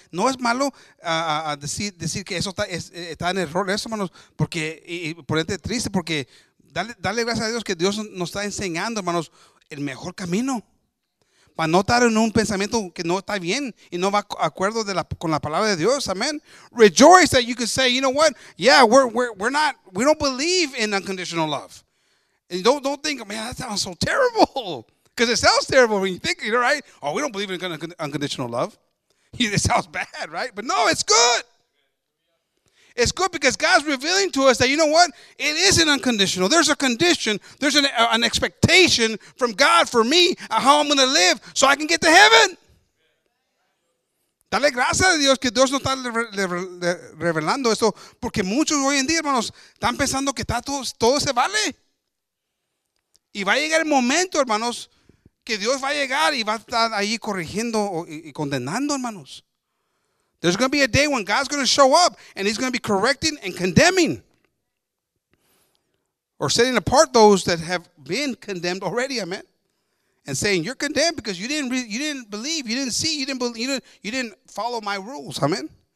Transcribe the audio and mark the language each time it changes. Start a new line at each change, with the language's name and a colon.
Spanish: No es malo decir que eso está en error, eso, hermanos, porque y ponerte triste, porque dale gracias a Dios que Dios nos está enseñando, hermanos, el mejor camino. Para no estar en un pensamiento que no está bien y no va acuerdo con la palabra de Dios, amen.
English: Rejoice that you can say, you know what? Yeah, we don't believe in unconditional love. And don't think, man, that sounds so terrible. Because it sounds terrible when you think, you know, right? Oh, we don't believe in unconditional love. It sounds bad, right? But no, it's good. It's good because God's revealing to us that, you know what? It isn't unconditional. There's a condition. There's an expectation from God for me of how I'm going to live so I can get to heaven.
Spanish: Dale gracias a Dios que Dios no está revelando esto. Porque muchos hoy en día, hermanos, están pensando que todo se vale. Y va a llegar el momento, hermanos, que Dios va a llegar y va a estar ahí corrigiendo y condenando, hermanos.
English: There's going to be a day when God's going to show up and he's going to be correcting and condemning or setting apart those that have been condemned already, amen, and saying, you're condemned because you didn't believe, you didn't see, you didn't follow my rules, amen.